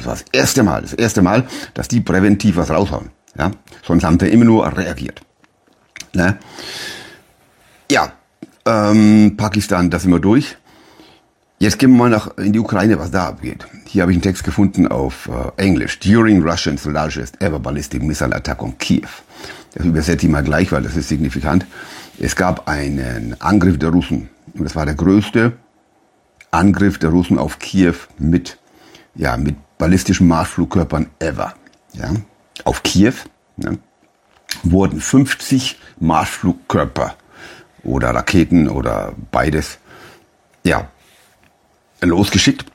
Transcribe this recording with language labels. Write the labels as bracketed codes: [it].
[de] Das erste Mal, dass die präventiv was raushauen. Ja? Sonst haben sie immer nur reagiert. Ne? Ja. Pakistan, da sind wir durch. Jetzt gehen wir mal in die Ukraine, was da abgeht. Hier habe ich einen Text gefunden auf Englisch. [en] During Russians largest ever ballistic missile attack on Kiev. [de] Das übersetze ich mal gleich, weil das ist signifikant. Es gab einen Angriff der Russen. Und das war der größte Angriff der Russen auf Kiew mit ballistischen Marschflugkörpern ever. Ja? Auf Kiew, ne, wurden 50 Marschflugkörper oder Raketen oder beides, ja, losgeschickt.